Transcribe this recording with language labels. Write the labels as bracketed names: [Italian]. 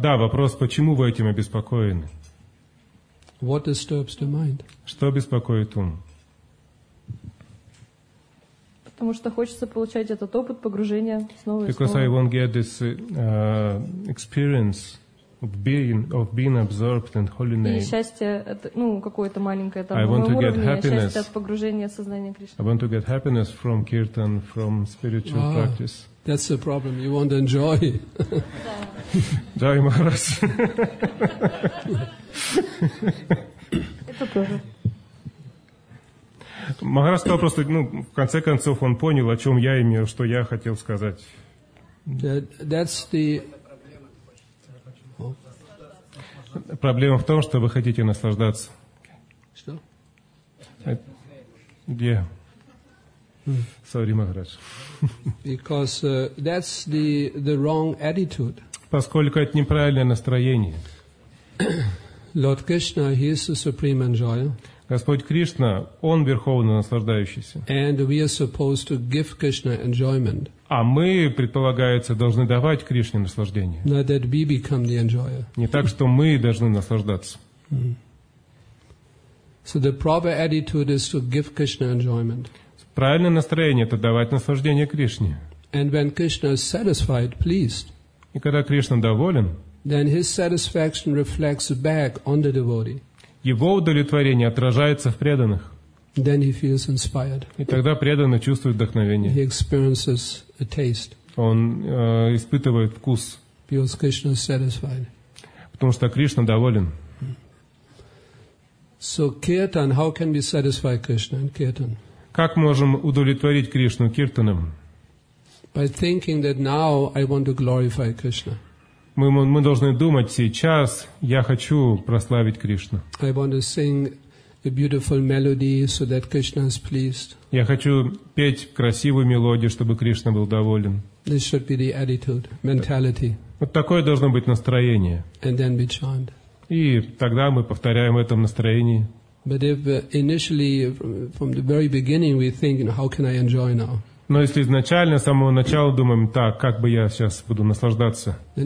[Russian] Да, вопрос, почему вы этим обеспокоены? [English] What disturbs the mind? [Russian] Что беспокоит ум? Потому что хочется получать этот опыт погружения снова и снова. [English] Because I won't get this experience of being absorbed in holy name. [Russian] И счастье, ну, какое-то маленькое там уровне, счастье от погружения в сознание Кришны. [English] I want to get happiness from kirtan, from spiritual practice. That's the problem. You want enjoy. Jai Maharaj. [Russian] Это тоже. Махарас сказал просто, ну, в конце концов, он понял, о чем я имею, что я хотел сказать. [English] That's the... [Russian] Проблема в том, что вы хотите наслаждаться. Что? Где? Sorry, Махарас. [English] Because that's the wrong attitude. [Russian] Поскольку это неправильное настроение. [English] Lord Krishna, he is the supreme enjoyer. [Russian] Господь Кришна, Он Верховный Наслаждающийся. [English] And we are supposed to give Krishna enjoyment. [Russian] А мы, предполагается, должны давать Кришне наслаждение. [English] Not that we become the enjoyer. [Russian] Не так, что мы должны наслаждаться. [English] So the proper attitude is to give Krishna enjoyment. [Russian] Правильное настроение – это давать наслаждение Кришне. [English] And when Krishna is satisfied, pleased, [Russian] и когда Кришна доволен, [English] then his satisfaction reflects back on the devotee. [Russian] Его удовлетворение отражается в преданных. [English] Then he feels inspired. [Russian] И тогда преданный чувствует вдохновение. [English] He experiences a taste. [Russian] Он испытывает вкус. [English] Because Krishna is satisfied. [Russian] Потому что Кришна доволен. [English] So kirtan, how can we satisfy Krishna in kirtan? [Russian] Как можем удовлетворить Кришну киртаном? [English] By thinking that now I want to glorify Krishna. [Russian] Мы должны думать сейчас, я хочу прославить Кришну. [English] I want to sing a beautiful melody so that Krishna is pleased. [Russian] Я хочу петь красивую мелодию, чтобы Кришна был доволен. [English] This should be the attitude, mentality. [Russian] Вот такое должно быть настроение. [English] And then we chant. [Russian] И тогда мы повторяем в этом настроении. [English] But if initially, from the very beginning, we think, you know, how can I enjoy now? [Russian] Но если изначально, с самого начала думаем, так, как бы я сейчас буду наслаждаться?